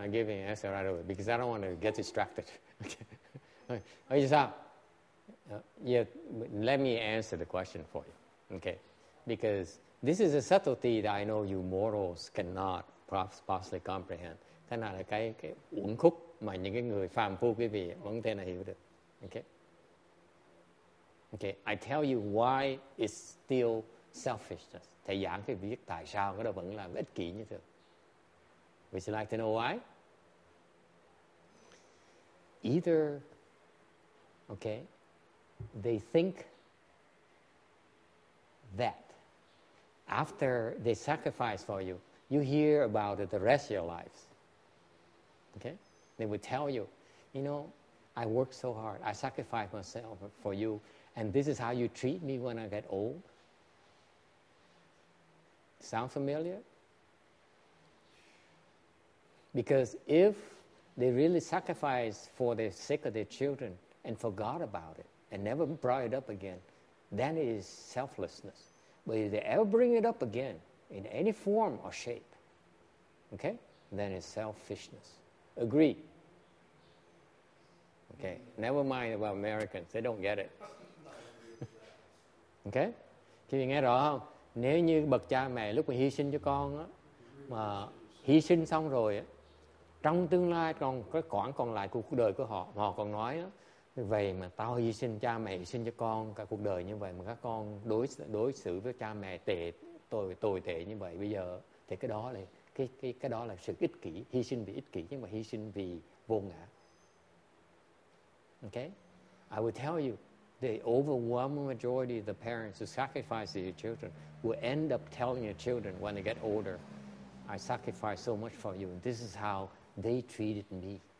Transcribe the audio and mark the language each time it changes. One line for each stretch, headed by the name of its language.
English: I gave an answer right away because I don't want to get distracted. Okay. Let me answer the question for you. Okay. Because this is a subtlety that I know you mortals cannot possibly comprehend.
Vietnamese: Thế nào là cái uẩn khúc mà những cái người phàm phu quý vị vẫn thể nào hiểu được. Okay. Okay.
English: I tell you why it's still selfishness.
Vietnamese: Thầy giảng cái việc tại sao nó vẫn là ích kỷ như thế.
English: Would you like to know why? Either, okay, they think that after they sacrifice for you, you hear about it the rest of your lives. Okay? They would tell you, you know, I work so hard. I sacrifice myself for you. And this is how you treat me when I get old. Sound familiar? Because if they really sacrifice for the sake of their children and forgot about it and never brought it up again, then it is selflessness. But if they ever bring it up again in any form or shape, okay, then it's selfishness. Agree? Okay, never mind about Americans. They don't get it.
Vietnamese: Okay? Thì nghe rõ không? Nếu như bậc cha mẹ lúc mà hy sinh cho con á, mà hy sinh xong rồi á, trong tương lai còn cái khoảng còn lại của cuộc đời của họ, họ còn nói á, vậy mà tao hy sinh, cha mẹ hy sinh cho con cả cuộc đời như vậy mà các con đối xử với cha mẹ tệ, tồi tệ như vậy bây giờ, thì cái đó là cái đó là sự ích kỷ, hy sinh vì ích kỷ nhưng mà hy sinh vì vô ngã.
English: Okay, I will tell you, the overwhelming majority of the parents who sacrifice their children will end up telling their children when they get older, I sacrificed so much for you, and this is how they treated me.